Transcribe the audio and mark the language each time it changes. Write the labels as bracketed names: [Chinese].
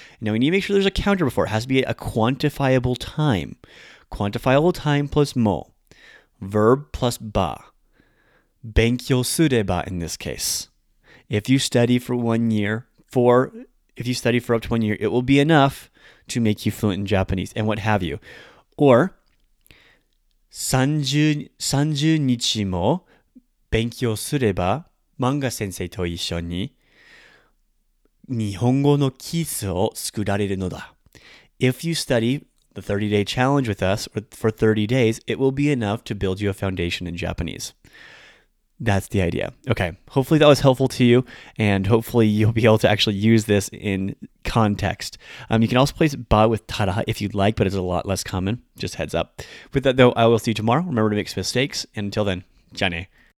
[English] Now we need to make sure there's a counter before. It has to be a quantifiable time. Quantifiable time plus mo. Verb plus ba. [Japanese] 勉強すれば [English] in this case. If you study for 1 year, if you study for up to 1 year, it will be enough to make you fluent in Japanese and what have you. [Japanese] Or 30日も勉強すれば漫画先生と一緒に日本語の基礎を作られるのだ. [English] If you study the 30-day challenge with us for 30 days, it will be enough to build you a foundation in Japanese. That's the idea. Okay, hopefully that was helpful to you, and hopefully you'll be able to actually use this in context. You can also place ba with tada if you'd like, but it's a lot less common. Just heads up. With that, though, I will see you tomorrow. Remember to make some mistakes, and until then, jane.